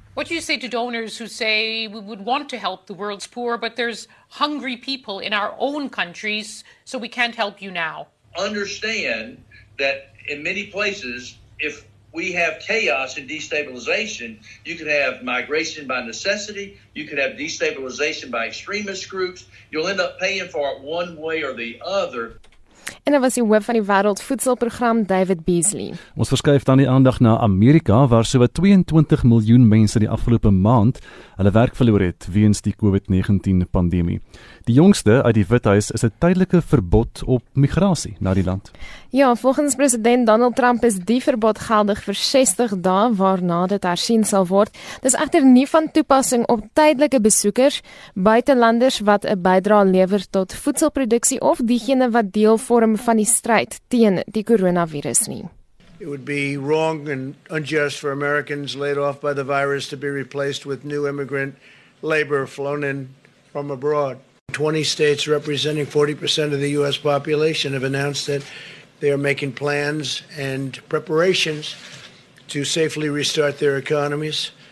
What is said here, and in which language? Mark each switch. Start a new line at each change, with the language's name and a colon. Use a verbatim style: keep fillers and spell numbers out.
English: What do you say to donors who say we would want to help the world's poor, but there's hungry people in our own countries, so we can't help you now? Understand that in many places, if we have chaos and destabilization, you could have migration by necessity, you could have destabilization by extremist groups, you'll end up paying for it one way or the other.
Afrikaans: En dit was die hoof van die Wêreldvoedselprogram, David Beasley. Ons verskuif dan die aandag na Amerika waar sowat tweeëntwintig miljoen mense die afgelope maand hulle werk verloor het weens die COVID negentien pandemie. Die jongste uit die Withuis is 'n tydelike verbod op migrasie na die land. Ja, volgens president Donald Trump is die verbod geldig vir sestig dae waarna dit hersien sal word. Dis egter nie van toepassing op tydelike besoekers, buitelanders wat 'n bydrae lewer tot voedselproduksie of diegene wat deel vorm van die stryd teen die coronavirus nie.
English: It would be wrong and unjust for Americans laid off by the virus to be replaced with new immigrant labor flown in from abroad. twenty states representing forty percent of the U S population have announced that they are making plans and preparations to safely restart their economies.